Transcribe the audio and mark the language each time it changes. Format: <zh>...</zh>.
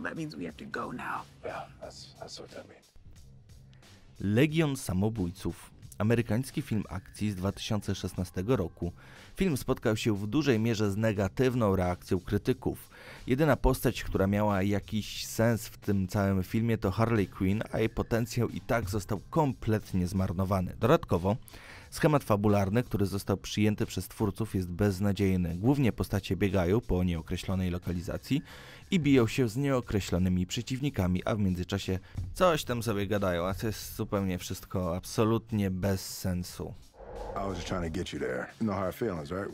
<en>That means we have to go now. Yeah, that's what that means.</en> <pl>Legion Samobójców. Amerykański film akcji z 2016 roku. Film spotkał się w dużej mierze z negatywną reakcją krytyków. Jedyna postać, która miała jakiś sens w tym całym filmie, to Harley Quinn, a jej potencjał i tak został kompletnie zmarnowany. Dodatkowo, schemat fabularny, który został przyjęty przez twórców, jest beznadziejny. Głównie postacie biegają po nieokreślonej lokalizacji i biją się z nieokreślonymi przeciwnikami, a w międzyczasie coś tam sobie gadają, a to jest zupełnie wszystko absolutnie bez sensu.</pl> <en>I was just trying to get you there. You know how it feels, right?</en>